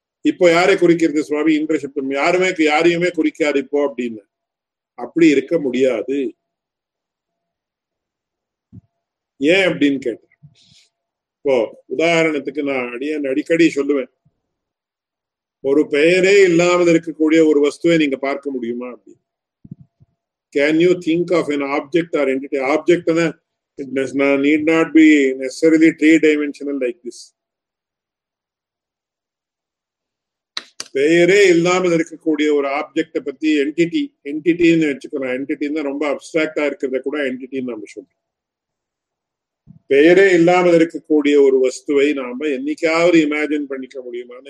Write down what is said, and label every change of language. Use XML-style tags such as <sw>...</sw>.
<ta>இப்போ யாரை குறிக்கிறது சுவாமி இந்திர சப்தம், யாருமே யாரையுமே குறிக்காது இப்போ அப்படின்னு, அப்படி இருக்க முடியாது. ஏன் அப்படின்னு கேட்டேன். இப்போ உதாரணத்துக்கு நான் அடிக்கடி சொல்லுவேன், ஒரு பெயரே இல்லாமல் இருக்கக்கூடிய ஒரு வஸ்துவை நீங்க பார்க்க முடியுமா அப்படின்னு.</ta> <en>Can you think of an object or entity? Object it need not be necessarily three-dimensional like this.</en> <ta>பெயரே இல்லாமல் இருக்கக்கூடிய ஒரு ஆப்ஜெக்ட பத்தி என்டிட்டி என்டிட்டின்னு வச்சுக்கணும். என்டிட்டின்னு ரொம்ப அப்சிராக்டா இருக்கிறத கூட என்டிட்டின்னு நம்ம சொல்றோம். பெயரே இல்லாமல் இருக்கக்கூடிய ஒரு வஸ்துவை நாம என்னைக்காவது இமேஜின் பண்ணிக்க முடியுமா?</ta>